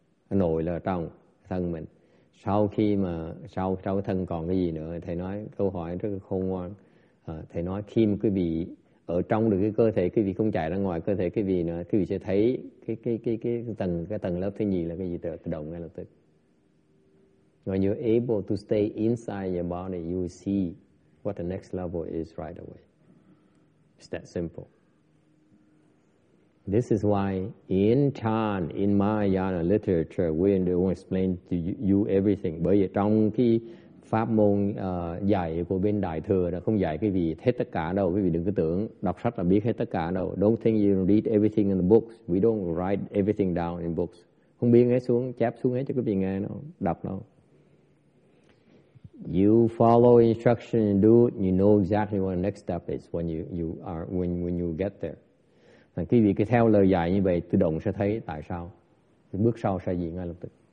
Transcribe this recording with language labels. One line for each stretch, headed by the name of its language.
Vietnamese: Nội là trong thân mình. Sau khi mà sau thân còn cái gì nữa, thầy nói câu hỏi rất là khôn ngoan. Thầy nói khi mà quý vị ở trong được cái cơ thể, quý vị không chạy ra ngoài cơ thể quý vị nữa, quý vị sẽ thấy cái tầng lớp thứ nhì là cái gì, tự động ngay lập tức.
English: When you're able to stay inside your body, you will see what the next level is right away. It's that simple. This is why in Chan, in Mahayana literature, we don't explain to you everything.
Vietnamese: Bởi vì trong cái pháp môn dạy của bên Đại Thừa là không dạy cái gì hết tất cả đâu. Quý vị đừng cứ tưởng đọc sách là biết hết tất cả đâu.
English: Don't think you read everything in the books. We don't write everything down in books.
Vietnamese: Không biết hết xuống, chép xuống hết cho quý vị nghe đâu, đọc đâu. You
English: follow instruction and do it, you know exactly what the next step is when you get there.
Vietnamese: Thì quý vị cứ theo lời dạy như vậy, tự động sẽ thấy tại sao. Thì bước sau sẽ gì ngay lập tức.